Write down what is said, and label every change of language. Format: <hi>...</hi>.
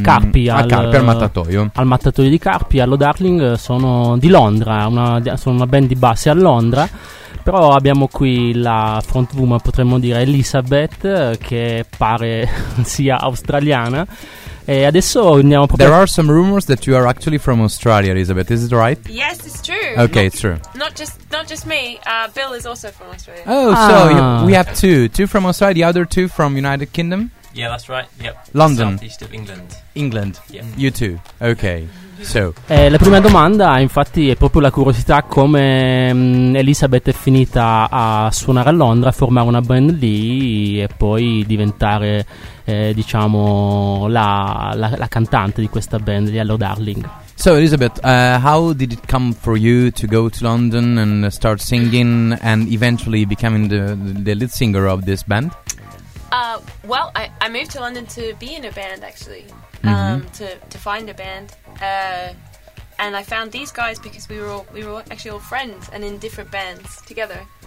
<it>Carpi, al Mattatoio. Al Mattatoio di Carpi, Hello Darling sono di Londra, sono una band di base a Londra. Però abbiamo qui la frontwoman, potremmo dire, Elizabeth, che pare sia australiana. E adesso andiamo proprio...</it> <en>There are some rumors that you are actually from Australia, Elizabeth. Is it right? Yes, it's true. Okay, it's true. Not just me. Bill is also from Australia. Oh, so we have two. Two from Australia, the other two from United Kingdom? Yeah, that's right. Yep. London. East of England. England. Yep. You two. Okay. So.</en> <it>La prima domanda infatti è proprio la curiosità: come Elizabeth è finita a suonare a Londra, a formare una band lì e poi diventare diciamo la cantante di questa band, di Hello Darling.</it> <en>So Elizabeth, how did it come for you to go to London and start singing and eventually becoming the lead singer of this band? Well, I moved to London to be in a band actually. Mm-hmm. To find a band, and I found these guys because we were actually all friends and in different bands together.</en>